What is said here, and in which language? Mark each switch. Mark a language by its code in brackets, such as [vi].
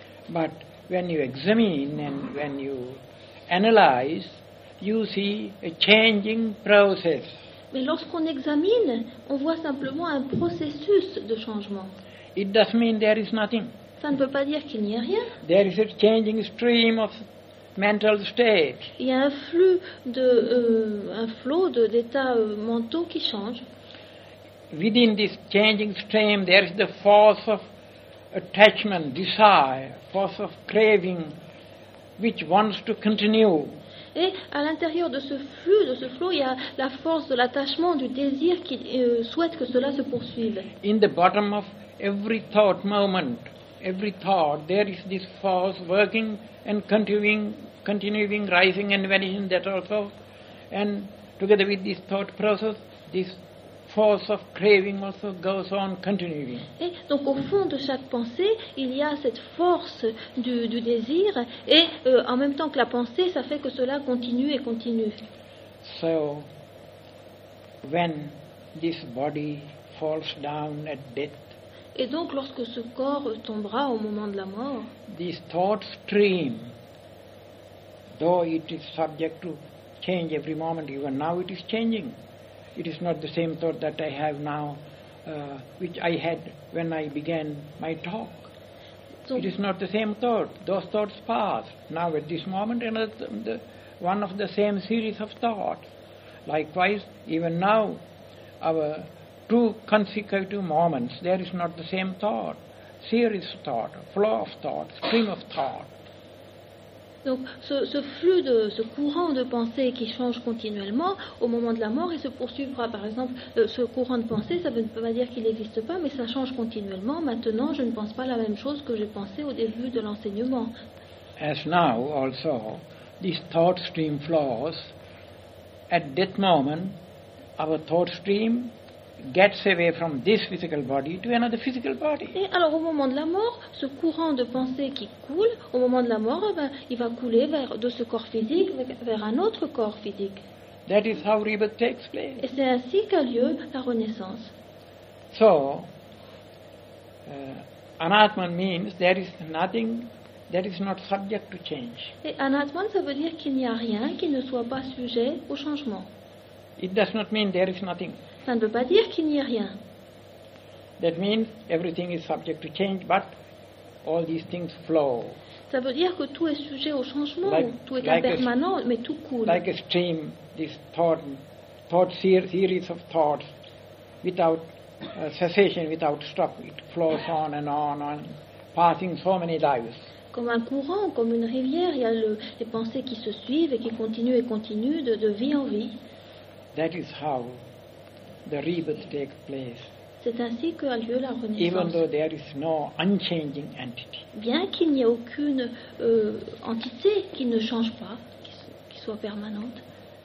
[en] But when you examine and when you analyze, you see a changing process. [fr] Mais lorsqu'on examine, on voit simplement un processus de changement. [en] It doesn't mean there is nothing. [fr] Ça ne veut pas dire qu'il n'y a rien. [en] There is a changing stream of mental state. [fr] Il y a un flux de un flot d'états mentaux qui changent. [en] Within this changing stream, there is the force of attachment, desire, force of craving, which wants to continue. [fr] Et à l'intérieur de ce flux, de ce flot, il y a la force de l'attachement, du désir qui souhaite que cela se poursuive. [en] In the bottom of every thought moment, every thought, there is this force working and continuing, rising and vanishing, that also, and together with this thought process, this force of craving also goes on continuing. [fr] Et donc au fond de chaque pensée, il y a cette force du désir, et en même temps que la pensée, ça fait que cela continue et continue. [en] So, when this body falls down at death, [fr] et donc lorsque ce corps tombera au moment de la mort, [en] this thought stream, though it is subject to change every moment, even now it is changing. It is not the same thought that I have now, which I had when I began my talk. So it is not the same thought. Those thoughts pass. Now at this moment, one of the same series of thoughts. Likewise, even now, our two consecutive moments, there is not the same thought, serious thought, flow of thought, stream of thought. [fr] Donc ce flux de ce courant de pensée qui change continuellement au moment de la mort et se poursuivra par exemple ce courant de pensée, ça ne veut pas dire qu'il n'existe pas, mais ça change continuellement. Maintenant, je ne pense pas la même chose que j'ai pensé au début de l'enseignement. [en] As now also, this thought stream flows. At that moment, our thought stream gets away from this physical body to another physical body. [fr] Et alors au moment de la mort, ce courant de pensée qui coule, au moment de la mort, il va couler de ce corps physique vers un autre corps physique. [en] That is how rebirth takes place. [fr] Et c'est ainsi qu'a lieu la renaissance. [en] So, anatman means there is nothing that is not subject to change. [fr] Et anatman, ça veut dire qu'il n'y a rien qui ne soit pas sujet au changement. [en] It does not mean there is nothing. [fr] Ça ne veut pas dire qu'il n'y a rien. [en] That means everything is subject to change, but all these things flow. [fr] Ça veut dire que tout est sujet au changement, like, tout est impermanent, mais tout coule. [en] Like a stream, this thought series of thoughts, without cessation, without stop, it flows on and on and passing so many lives. [fr] Comme un courant, comme une rivière, il y a les pensées qui se suivent et qui continuent et continuent de vie en vie. [en] That is how the rebirth takes place. [fr] C'est ainsi qu'a lieu la renaissance. [en] Even though there is no unchanging entity. [fr] Bien qu'il n'y ait aucune entité qui ne change pas, qui soit permanente.